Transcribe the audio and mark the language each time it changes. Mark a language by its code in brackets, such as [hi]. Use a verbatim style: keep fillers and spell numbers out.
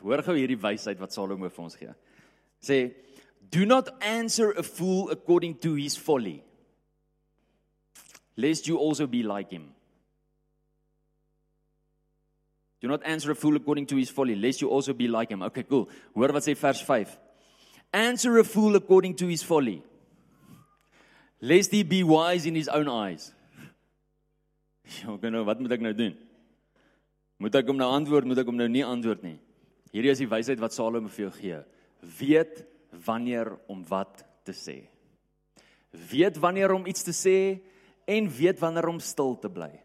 [af] Hoor gou hierdie wysheid wat Salomo vir ons gee. Sê, [en] do not answer a fool according to his folly, lest you also be like him. Do not answer a fool according to his folly, lest you also be like him. Okay, cool. [af] Hoor wat sê vers vyf. [en] Answer a fool according to his folly, lest he be wise in his own eyes. [af] Ek weet nou, wat moet ek nou doen? Moet ek hom nou antwoord, moet ek hom nou nie antwoord nie. Hierdie is die wysheid wat Salomo vir jou gee. Weet wanneer om wat te sê. Weet wanneer om iets te sê en weet wanneer om stil te bly.